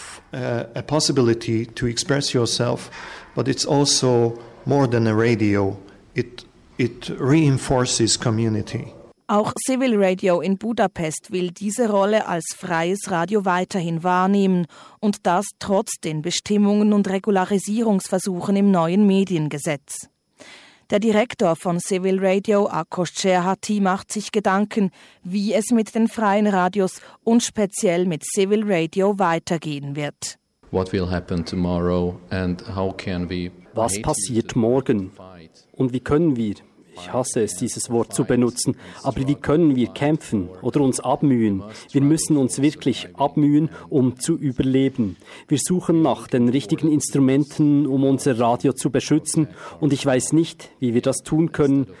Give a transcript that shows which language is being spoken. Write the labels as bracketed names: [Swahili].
[English] A possibility to express yourself, but it's also more than a radio. It reinforces community. [German] Auch Civil Radio in Budapest will diese Rolle als freies Radio weiterhin wahrnehmen und das trotz den Bestimmungen und Regularisierungsversuchen im neuen Mediengesetz. Der Direktor von Civil Radio, Akos Cserháti, macht sich Gedanken, wie es mit den freien Radios und speziell mit Civil Radio weitergehen wird. [English] What will happen tomorrow and how can we... [German] Was passiert morgen? Und wie können wir? Ich hasse es, dieses Wort zu benutzen, aber wie können wir kämpfen oder uns abmühen? Wir müssen uns wirklich abmühen, um zu überleben. Wir suchen nach den richtigen Instrumenten, um unser Radio zu beschützen, und ich weiß nicht, wie wir das tun können.